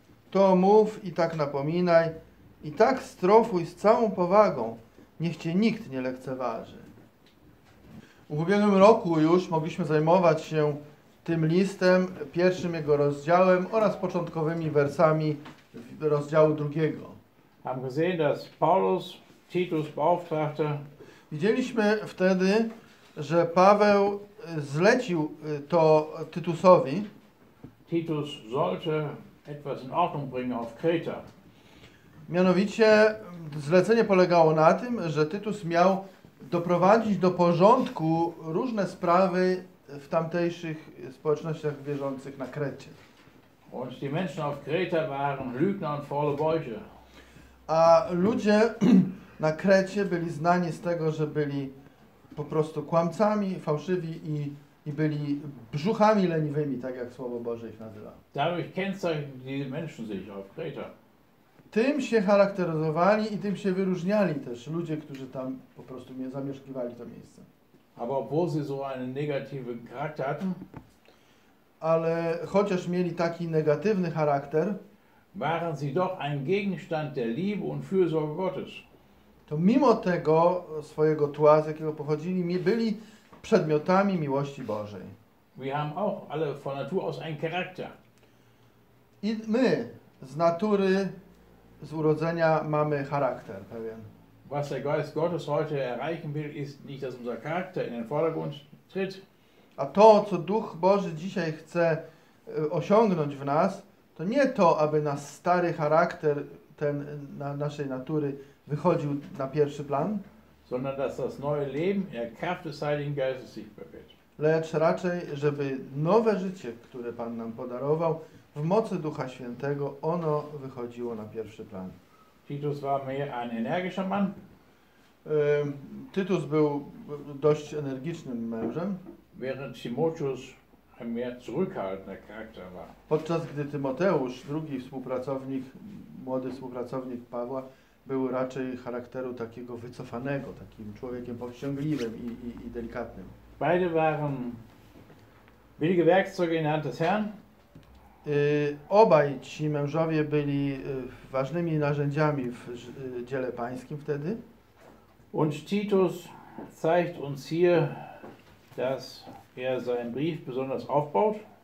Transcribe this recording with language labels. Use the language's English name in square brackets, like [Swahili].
[Polish] To mów i tak napominaj, i tak strofuj z całą powagą, niech cię nikt nie lekceważy. W ubiegłym roku już mogliśmy zajmować się tym listem, pierwszym jego rozdziałem oraz początkowymi wersami rozdziału drugiego. [German] Haben gesehen, dass Paulus Titus beauftragte. [Polish] Widzieliśmy wtedy, że Paweł zlecił to Tytusowi. [German] Titus sollte etwas in Ordnung bringen auf Kreta. [Polish] Mianowicie zlecenie polegało na tym, że Tytus miał doprowadzić do porządku różne sprawy w tamtejszych społecznościach wierzących na Krecie. [German] Und die Menschen auf Kreta waren Lügner und faule Bäuche. [Polish] A ludzie na Krecie byli znani z tego, że byli po prostu kłamcami, fałszywi i byli brzuchami leniwymi, tak jak Słowo Boże ich nazywa. [German] Dadurch kennzeichnen diese Menschen sich auf Kreta. [Polish] Tym się charakteryzowali i tym się wyróżniali też ludzie, którzy tam po prostu nie zamieszkiwali to miejsce. [German] Aber obwohl sie so einen negativen Charakter hatten, [Polish] ale chociaż mieli taki negatywny charakter, [German] waren sie doch ein Gegenstand der Liebe und Fürsorge Gottes. [Polish] To mimo tego swojego tła, z jakiego pochodzili, byli przedmiotami miłości Bożej. [German] Wir haben auch alle von Natur aus einen Charakter. [Polish] I my z natury, z urodzenia mamy charakter pewien. [German] Was der Geist Gottes heute erreichen will, ist nicht, dass unser Charakter in den Vordergrund tritt. [Polish] A to, co Duch Boży dzisiaj chce osiągnąć w nas, to nie to, aby nasz stary charakter, ten na naszej natury, wychodził na pierwszy plan, [German] sondern dass das neue Leben in der Kraft des Heiligen Geistes sich bewegt. [Polish] Lecz raczej, żeby nowe życie, które Pan nam podarował, w mocy Ducha Świętego, ono wychodziło na pierwszy plan. [German] Titus war mehr ein energischer Mann. [Polish] Tytus był dość energicznym mężem. [German] Während Timotheus ein mehr zurückhaltender Charakter war. [Polish] Podczas gdy Tymoteusz, drugi współpracownik, młody współpracownik Pawła, był raczej charakteru takiego wycofanego, takim człowiekiem powściągliwym i delikatnym. [German] Beide waren willige Werkzeuge in der Hand des Herrn. [Polish] Obaj ci mężowie byli ważnymi narzędziami w dziele Pańskim wtedy. [German] Und Titus zeigt uns hier, dass er seinen Brief besonders aufbaut.